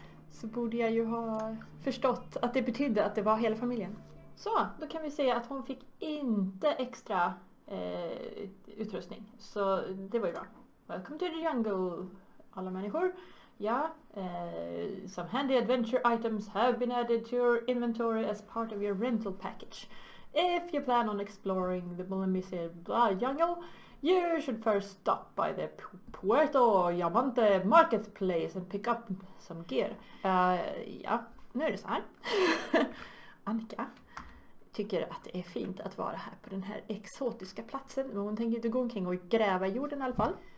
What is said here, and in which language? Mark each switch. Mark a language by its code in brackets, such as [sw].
[sv] Så borde jag ju ha förstått att det betydde att det var hela familjen. Så, då kan vi säga att hon fick inte extra utrustning. Så det var ju bra. [en] Welcome to the jungle, [sv] alla människor. Ja, [en] some handy adventure items have been added to your inventory as part of your rental package. If you plan on exploring the Mulemise jungle, you should first stop by the Puerto Yamante marketplace and pick up some gear. [sv] Ja, nu är det så här. Annika tycker att det är fint att vara här på den här exotiska platsen, men hon tänker inte gå omkring och gräva i jorden i alla fall.